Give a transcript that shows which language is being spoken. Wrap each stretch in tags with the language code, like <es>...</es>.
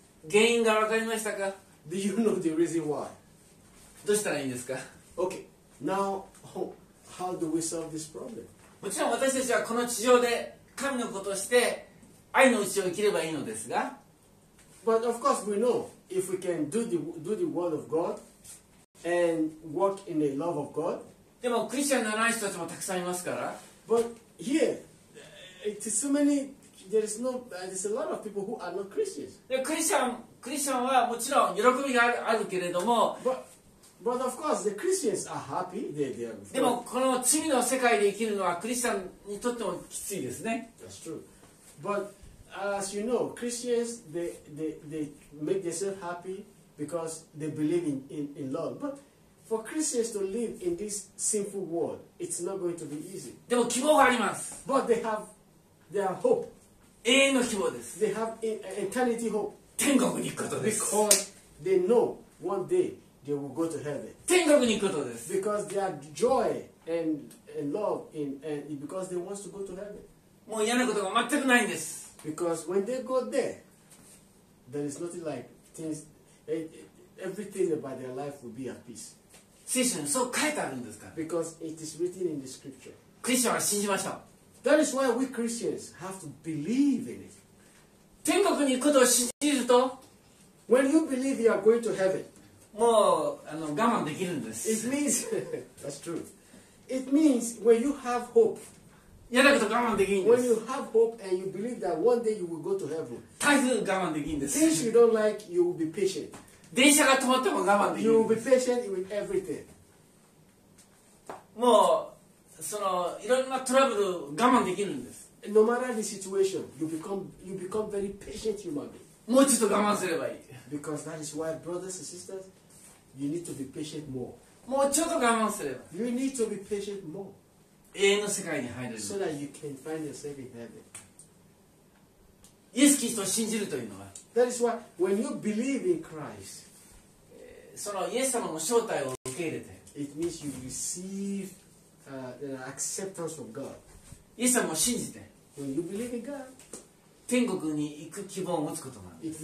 <ja>原因が分かりましたか?</ja> <en>Do you know the reason why?</en> <ja>どうしたらいいんですか?</ja> <en>Okay. Now, how do we solve this problem?</en> <ja>もちろん私たちはこの地上で神のことをして愛のうちを生きればいいのですが。</ja> <en>But of course we know if we can do the word of God and walk in the love of God.</en> <ja>でもクリスチャンじゃない人たちもたくさんいますから。</ja> <en>But here, it is so many... There is no, there's a lot of people who are not Christians.</en> <ja>クリスチャンはもちろん喜びがあるけれども、</ja> <en>but of course the Christians are happy. They are.</en> <ja>でもこの罪の世界で生きるのはクリスチャンにとってもきついですね。</ja> <en>That's true. But as you know, Christians they make themselves happy because they believe in love. But For Christians to live in this sinful world, it's not going to be easy.</en> <ja>でも希望があります。</ja> <en>But they have their hope.</en> <ja>永遠の希望です。</ja> <en>They have eternity hope.</en> <ja>天国に行くことです。</ja> <en>Because they know one day they will go to heaven.</en> <ja>天国に行くことです。</ja> <en>Because they have joy and love in and because they want to go to heaven.</en> <ja>もう嫌なことが全くないんです。</ja> <en>Because when they go there, there is nothing like things. Everything about their life will be at peace.</en> <ja>聖書にそう書いてあるんですか?</ja> <en>Because it is written in the scripture.</en> <ja>クリスチャンは信じましょう。</ja> <en>That is why we Christians have to believe in it.</en> <ja>天国に行くことを信じると</ja> <en>When you believe you are going to heaven,</en> <ja>もう我慢できるんです。</ja> <en>It means, that's true. It means when you have hope,</en> <ja>嫌なこと我慢できるんです。</ja> <en>When you have hope and you believe that one day you will go to heaven,</en> <ja>台風我慢できるんです。</ja> <en>Things you don't like, you will be patient.</en> <ja>電車が止まっても我慢できる。</ja> <en>You will be patient with everything.</en> <ja>もうそのいろんなトラブル我慢できるんです。</ja> <en>No matter the situation, you become very patient human being.</en> <ja>もうちょっと我慢すればいい。</ja> <en>Because that is why brothers and sisters, you need to be patient more.</en> <ja>もうちょっと我慢すれば。</ja> <en>You need to be patient more.</en> <ja>永遠の世界に入れる。</ja> <en>So that you can find yourself in heaven.</en> <ja>イエス・キリストを信じるというのは。</ja> <en>That is why when you believe in Christ,</en> <ja>そのイエス様の招待を受け入れて、</ja> <en>it means you receive the acceptance from God.</en> <ja>イエス様を信じて、</ja> <en>when you believe in God,</en> <ja>天国に行く希望を持つことなんです。</ja>